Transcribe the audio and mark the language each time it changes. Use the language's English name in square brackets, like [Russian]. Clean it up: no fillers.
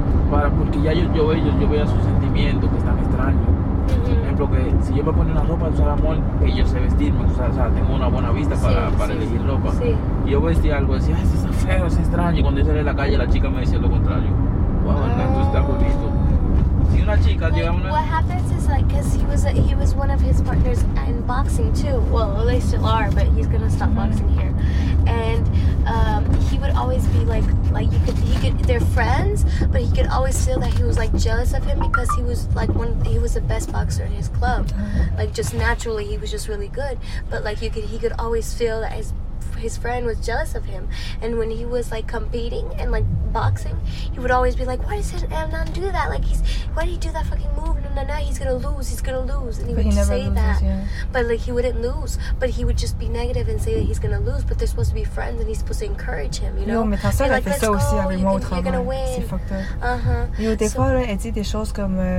[Spanish] Porque ya yo veía sus sentimientos que están extraños. Por ejemplo, que si yo me pongo una ropa, usar amor, que yo sé vestirme, o sea, tengo una buena vista para elegir ropa. Sí. Y yo vestía algo, decía, ese es feo, es extraño. Y cuando yo salí a la calle, la chica me decía lo contrario. Wow, Hernán, tú estás bonito. [English] What happens is like because he was one of his partners in boxing too. Well, they still are, but he's gonna stop boxing here. And he would always be like he could they're friends, but he could always feel that he was like jealous of him because he was like he was the best boxer in his club. Like just naturally, he was just really good. But like he could always feel that his friend was jealous of him, and when he was like competing and like boxing, he would always be like, why does Hernán do that? Like, why did he do that fucking move? No, he's gonna lose. And but like he wouldn't lose, but he would just be negative and say that he's gonna lose. But they're supposed to be friends, and he's supposed to encourage him, you know? Yo, like, let's go, you're gonna win. [French] Yo, des fois, elle dit des choses comme